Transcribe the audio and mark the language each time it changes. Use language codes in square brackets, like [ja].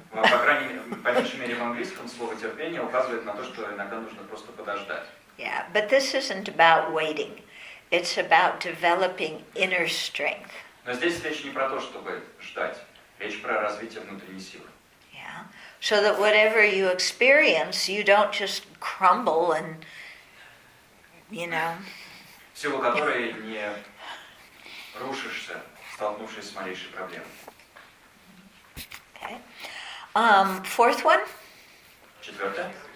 [ru] По крайней мере, в английском слово терпение указывает на то, что иногда нужно просто подождать. [en] Yeah, but this isn't about waiting. It's about developing inner strength. [ru] Но здесь речь не про то, чтобы ждать. Речь про развитие внутренней силы. [en] Yeah. So that whatever you experience, you don't just crumble and, you know. [ru] Силу которой не рушишься, столкнувшись с малейшей проблемой. [en] Okay. Fourth one. [ru] Четвертое.